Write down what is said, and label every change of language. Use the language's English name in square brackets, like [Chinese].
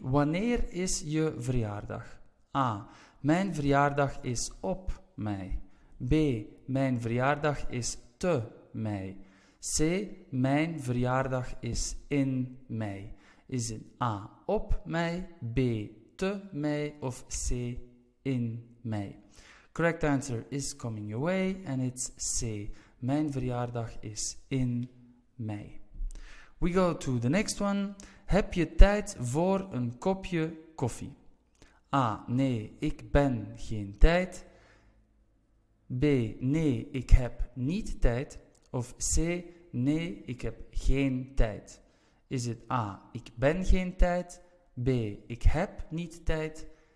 [Dutch] Wanneer is je verjaardag? A, mijn verjaardag is op mei. B, mijn verjaardag is te mei. C, mijn verjaardag is in mei. Is het A, op mei, B, te mei, of C, in mei? [English] Correct answer is coming your way, and it's C, [Dutch] mijn verjaardag is in mei. [English] We go to the next one. [Dutch] Heb je tijd voor een kopje koffie? A, nee, ik ben geen tijd. B, nee, ik heb niet tijd. Of C, nee, ik heb geen tijd. Is het A, ik ben geen tijd. B, ik heb niet tijd.